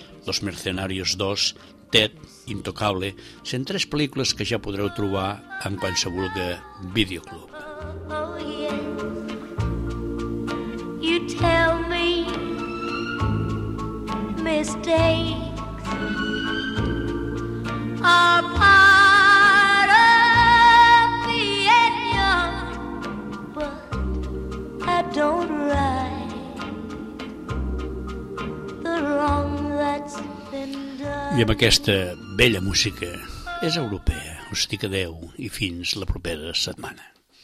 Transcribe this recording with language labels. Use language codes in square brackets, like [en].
[ca] Los Mercenarios 2, Ted, Intocable, són tres pel·lícules que ja podreu trobar en qualsevol videoclub. [en] Oh, oh, yeah. You tell me. mistakes are part of the idea, but I don't right the wrong that's been done. [ca] I amb aquesta bella música, és europea, us dic adeu i fins la propera setmana.